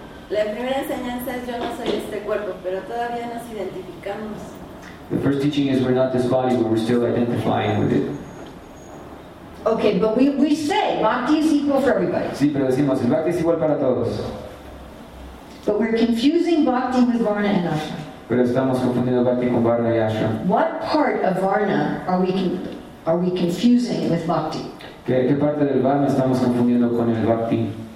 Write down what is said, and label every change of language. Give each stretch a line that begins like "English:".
Spanish: La primera enseñanza es yo no soy este cuerpo, pero todavía nos identificamos.
English: The first teaching is we're not this body, but we're still identifying with it. Okay, but we say bhakti is equal for everybody.
Spanish: Sí, pero decimos el bhakti es igual para todos.
English: But we're confusing bhakti with varna and ashram.
Spanish: Pero estamos confundiendo bhakti con varna y ashram.
English: What part of varna are we confusing with bhakti?
Spanish: ¿Qué parte del varna estamos confundiendo con el bhakti?